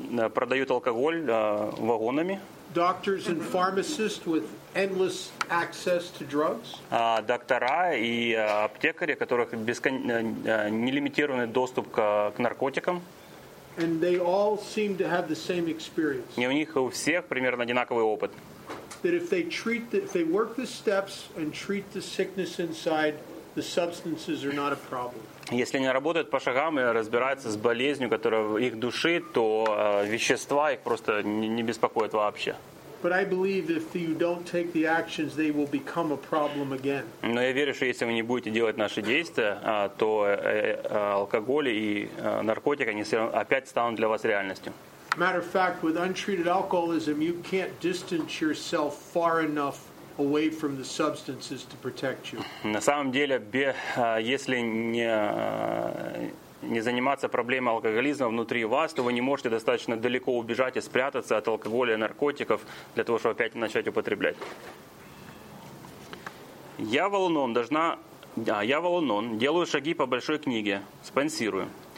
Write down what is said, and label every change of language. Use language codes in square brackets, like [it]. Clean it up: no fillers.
[ru] Продают алкоголь вагонами. [en] Doctors and pharmacists with endless access to drugs. [ru] Доктора и аптекари, у которых нелимитированный доступ к наркотикам. [en] And they all seem to have the same experience. [ru] И у них у всех примерно одинаковый опыт. [en] That if they work the steps and treat the sickness inside, the substances are not a problem. [ru] Если они работают по шагам и разбираются с болезнью, которая в их душе, то вещества их просто не беспокоят вообще. [en] But I believe if you don't take the actions, they will become a problem again. [ru] Но я верю, что если вы не будете делать наши действия, то алкоголь и наркотики, они опять станут для вас реальностью. [en] Matter of fact, with untreated alcoholism, you can't distance yourself far enough away from the substances to protect you. [ru] На самом деле, если не заниматься проблемой алкоголизма внутри вас, то вы не можете достаточно далеко убежать и спрятаться от алкоголя и наркотиков для того, чтобы опять начать употреблять. Я Волонон, делаю шаги по большой книге, спонсирую.